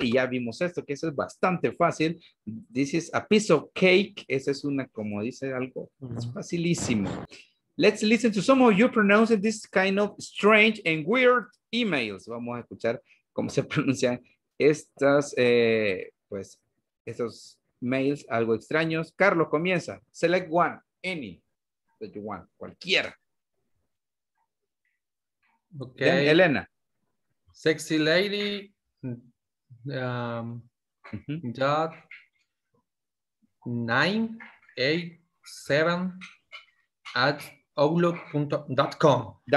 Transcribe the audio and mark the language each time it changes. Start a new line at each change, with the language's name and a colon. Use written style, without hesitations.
Spanish: Y ya vimos esto, que eso es bastante fácil.
English: This is a piece of cake.
Spanish: Esa es una, como dice algo, es facilísimo.
English: Let's listen to some of you pronouncing this kind of strange and weird emails.
Spanish: Vamos a escuchar cómo se pronuncian estas, pues, estos mails algo extraños.
English: Carlos,
Spanish: comienza.
English: Select one, any that you want,
Spanish: cualquiera.
English: Okay. Then Elena. Sexy lady, dot 987 at outlook.com.